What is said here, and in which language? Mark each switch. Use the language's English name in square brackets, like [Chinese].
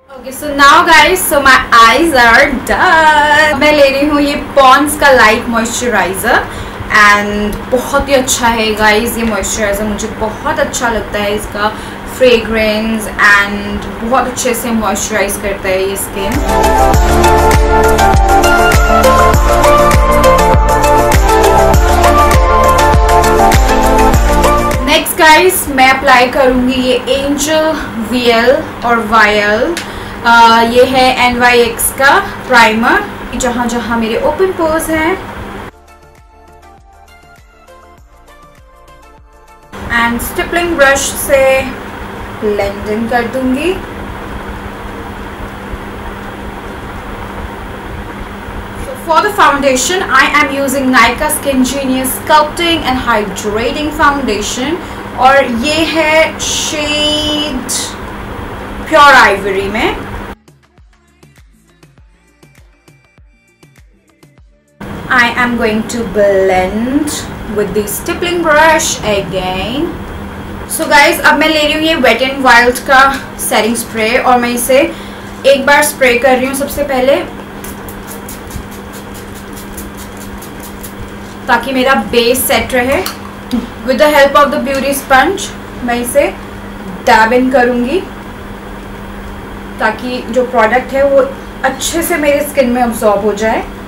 [English] So now guys, so my eyes are done. [Hindi] मैं ले रही हूँ ये पॉन्स का लाइट मॉइस्चराइजर एंड बहुत ही अच्छा है गाइज ये मॉइस्चराइजर, मुझे बहुत अच्छा लगता है इसका फ्रेग्रेंस एंड बहुत अच्छे से मॉइस्चराइज करता है ये स्किन. नेक्स्ट गाइज, मैं अप्लाई करूंगी ये एंजल वीएल और वायल. ये है NYX का प्राइमर जहां जहां मेरे ओपन पोर्स हैं. एंड स्टिपलिंग ब्रश से ब्लेंडिंग कर दूंगी. [English] for the foundation I am using Nykaa skin genius sculpting and hydrating foundation [Hindi] और ये है [English] Shade pure ivory में. I am going to blend with the stippling brush again. So guys, [Hindi] अब मैं ले रही हूँ ये Wet n Wild का setting spray और मैं इसे एक बार spray कर रही हूँ सबसे पहले ताकि मेरा base set रहे. [English] With the help of the beauty sponge [Hindi] मैं इसे dab in करूँगी ताकि जो product है वो अच्छे से मेरे skin में absorb हो जाए.